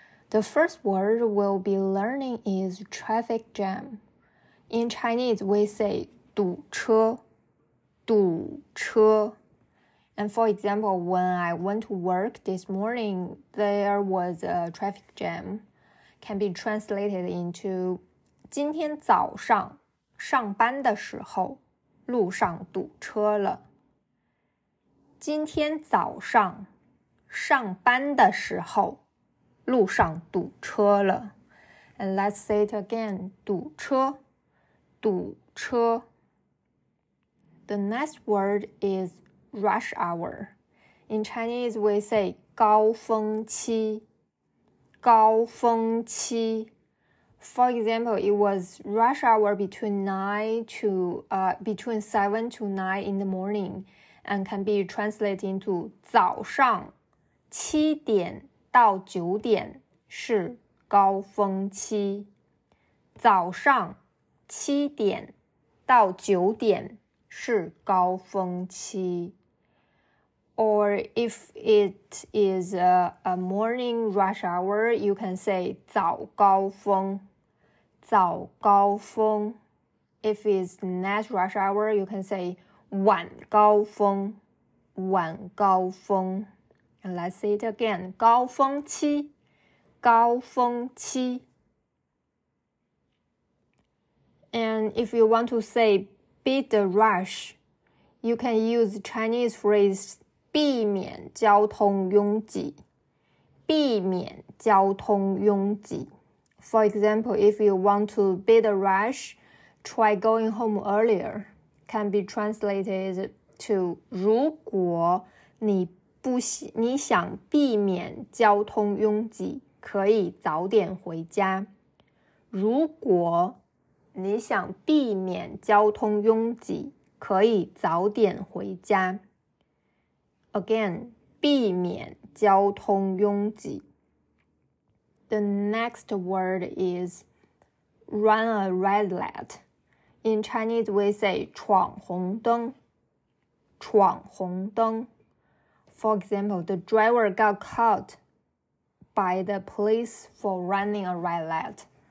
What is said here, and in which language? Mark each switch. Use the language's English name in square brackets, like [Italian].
[English] The first word we'll be learning is traffic jam. In Chinese, we say [Chinese] 堵车堵车 [English] And for example, when I went to work this morning, there was a traffic jam. Can be translated into [Chinese] 今天早上上班的时候路上堵车了。今天早上上班的时候路上堵车了。 [English] And let's say it again, [Chinese] 堵车堵车。 [English] The next word is rush hour. In Chinese, we say [Chinese] 高峰期高峰期。 [English] For example, it was rush hour between 7 to 9 in the morning and can be translated into [Chinese] 早上七点到九点是高峰期。早上七点到九点是高峰期。 [English] Or if it is a morning rush hour, you can say [Chinese] 早高峰。早高峰 [English] If it's night rush hour, you can say [Chinese] 晚高峰晚高峰 [English] And let's say it again, [Chinese] 高峰期高峰期 [English] And if you want to say beat the rush, you can use Chinese phrase [Chinese] 避免交通拥挤避免交通拥挤 [English] For example, if you want to beat a rush, try going home earlier. Can be translated to [Chinese] 如果你想避免交通拥挤，可以早点回家。如果你想避免交通拥挤，可以早点回家。 [English] Again, [Chinese] 避免交通拥挤。 [English] The next word is run a red light. In Chinese, we say [Chinese] 闯红灯闯红灯 [English] For example, the driver got caught by the police for running a red light.